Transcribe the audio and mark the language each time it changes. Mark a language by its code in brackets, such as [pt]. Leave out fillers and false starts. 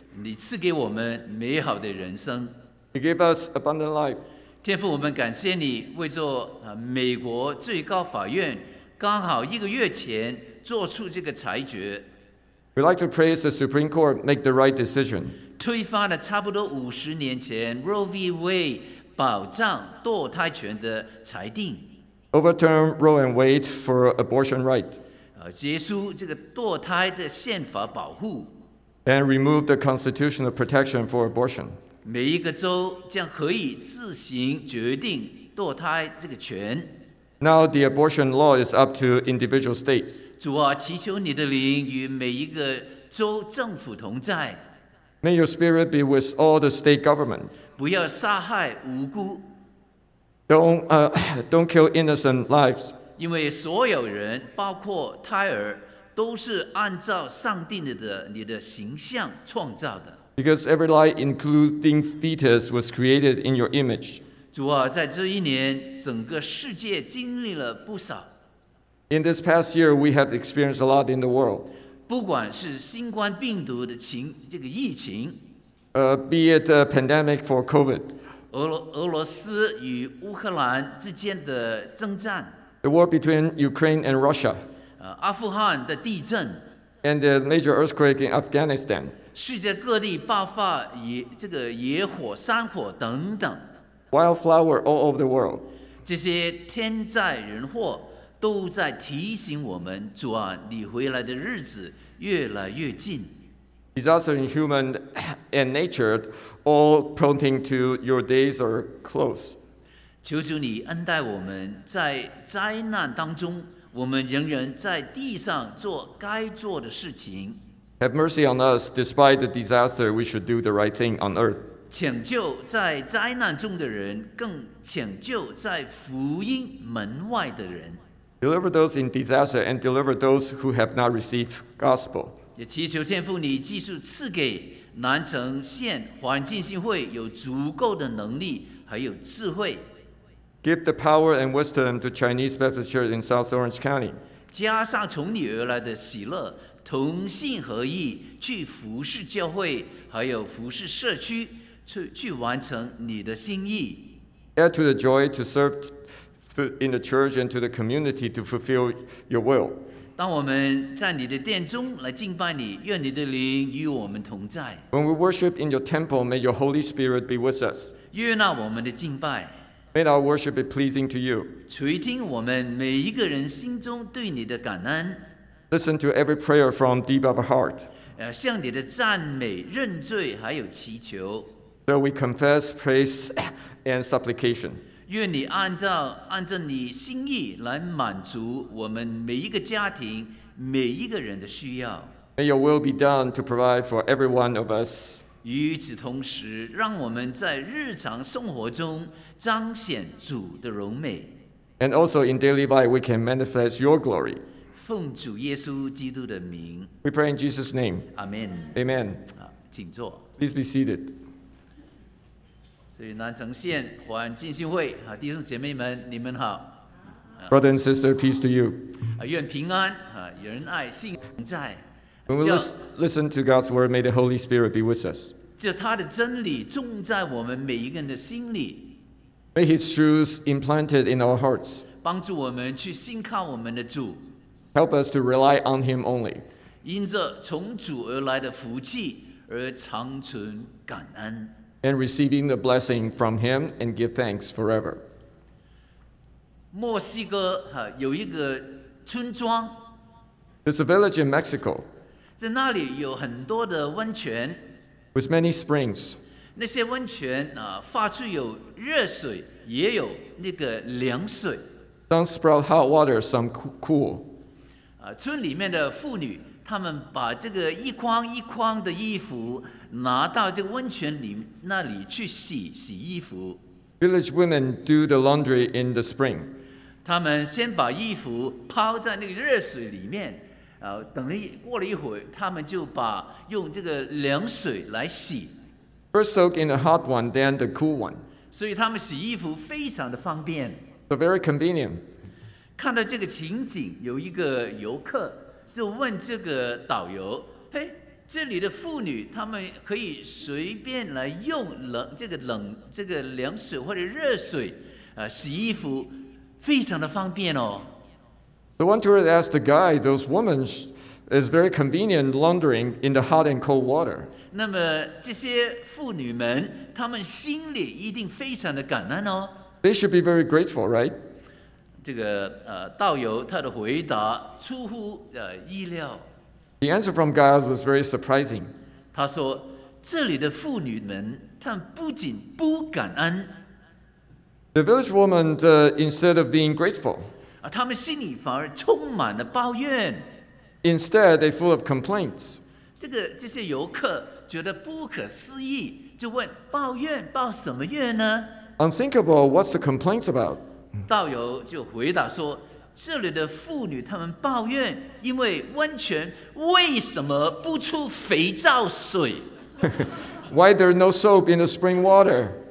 [zh] 你赐给我们美好的人生。 [en] You gave us abundant life. [zh] 天父，我们感谢你为做美国最高法院刚好一个月前做出这个裁决。 [en] We'd like to praise the Supreme Court make the right decision. [zh] 推翻了差不多五十年前 Roe v. Wade 保障堕胎权的裁定。 [en] Overturn Roe and Wade for abortion right. [zh] 结束这个堕胎的宪法保护。 [en] And remove the constitutional protection for abortion. [zh] 每一个州将可以自行决定堕胎这个权。 [en] Now the abortion law is up to individual states. [zh] 主啊，祈求你的灵与每一个州政府同在。 [en] May your spirit be with all the state government. [zh] 不要杀害无辜。 [en] Don't kill innocent lives. [zh] 因为所有人，包括胎儿，都是按照上帝你的形象创造的。 [en] Because every life, including fetus, was created in your image. [zh] 主啊，在这一年，整个世界经历了不少。 [en] In this past year, we have experienced a lot in the world. [zh] 不管是新冠病毒的这个疫情。 [en] Be it a pandemic for COVID. [zh] 俄罗斯与乌克兰之间的征战。 [en] The war between Ukraine and Russia. [zh] 阿富汗的地震。 [en] And the major earthquake in Afghanistan. [zh] 世界各地爆发这个野火、山火等等。 [en] Wildflower all over the world. [zh] 这些天灾人祸都在提醒我们，主啊，你回来的日子越来越近。 [en] Disaster in human and nature, all pointing to your days are close. [zh] 求主你恩待我们，在灾难当中，我们仍然在地上做该做的事情。 [en] Have mercy on us, despite the disaster, we should do the right thing on earth. [zh] 抢救在灾难中的人，更抢救在福音门外的人。 [en] Deliver those in disaster and deliver those who have not received gospel. [zh] 也祈求天父你继续赐给南城县环境信会有足够的能力还有智慧。 [en] Give the power and wisdom to Chinese Baptist Church in South Orange County. [zh] 加上从你而来的喜乐，同心合意去服侍教会，还有服侍社区，去完成你的心意。 [en] Add to the joy to serve in the church and to the community to fulfill your will. [zh] 当我们在你的殿中来敬拜你，愿你的灵与我们同在。 [en] When we worship in your temple, may your Holy Spirit be with us. [zh] 悦纳我们的敬拜。 [en] May our worship be pleasing to you. [zh] 垂听我们每一个人心中对你的感恩。 [en] Listen to every prayer from deep of our heart. [zh] 向你的赞美、认罪还有祈求。 [en] So we confess, praise, and supplication. [zh] 愿你按照你心意来满足我们每一个家庭、每一个人的需要。 [en] May your will be done to provide for every one of us. [zh] 与此同时，让我们在日常生活中彰显主的荣美。 [en] And also in daily life, we can manifest your glory. [zh] 奉主耶稣基督的名。 [en] We pray in Jesus' name. Amen. Amen. [zh] 请坐。 [en] Please be seated. [zh] 所以南城县环境信会弟兄姐妹们，你们好。 [en] Brother and sister, peace to you. [zh] 愿平安，仁爱，信在。 [en] When we listen to God's word, may the Holy Spirit be with us. [zh] 就他的真理种在我们每一个人的心里。 [en] May His truths implanted in our hearts. [zh] 帮助我们去信靠我们的主。 [en] Help us to rely on Him only. [zh] 因着从主而来的福气而长存感恩。 [en] And receiving the blessing from him and give thanks forever. [zh] 墨西哥有一个村庄。 [en] It's a village in Mexico. [zh] 在那里有很多的温泉。 [en] With many springs. [zh] 那些温泉发出有热水，也有那个凉水。 [en] Some sprout hot water, some cool. [zh] 村里面的妇女他们把这个一筐一筐的衣服拿到这个温泉里那里去洗衣服。 [en] Village women do the laundry in the spring. [zh] 他们先把衣服抛在那个热水里面，等了过了一会，他们就把用这个凉水来洗。 [en] First soak in the hot one, then the cool one. [zh] 所以他们洗衣服非常的方便。 [en] So very convenient. [zh] 看到这个情景，有一个游客就问这个导游，嘿，这里的妇女她们可以随便来用冷这个冷这个凉水或者热水洗衣服，非常的方便哦。 [en] The one tourist asked the guide, those women is very convenient laundering in the hot and cold water. [zh] 那么这些妇女们，她们心里一定非常的感恩哦。 [en] They should be very grateful, right? [zh] 这个导游他的回答出乎意料。 [en] The answer from God was very surprising. [zh] 他说，这里的妇女们，她们不仅不感恩。 [en] The village woman, instead of being grateful, [zh] 他们心里反而充满了抱怨。 [en] Instead, they're full of complaints. [zh] 这些游客觉得不可思议，就问抱怨抱什么怨呢？ [en] Unthinkable, what's the complaints about? [zh] 导游就回答说，这里的妇女他们抱怨，因为温泉为什么不出肥皂水？ [en] Why there no soap in the spring water?